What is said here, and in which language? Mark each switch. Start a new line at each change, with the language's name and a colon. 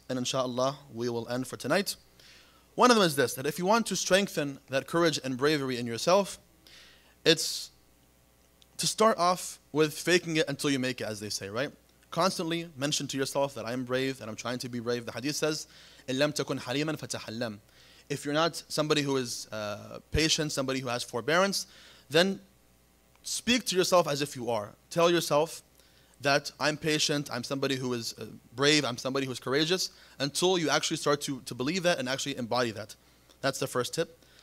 English: And inshallah, we will end for tonight. One of them is this: that if you want to strengthen that courage and bravery in yourself, it's to start off with faking it until you make it, as they say, right? Constantly mention to yourself that I am brave and I'm trying to be brave. The hadith says,
Arabic: إِلَّمْ تَكُنْ حَلِيمًا فَتَحَلَّمْ.
English: If you're not somebody who is patient, somebody who has forbearance, then speak to yourself as if you are. Tell yourself that I'm patient, I'm somebody who is brave, I'm somebody who is courageous, until you actually start to believe that and actually embody that. That's the first tip.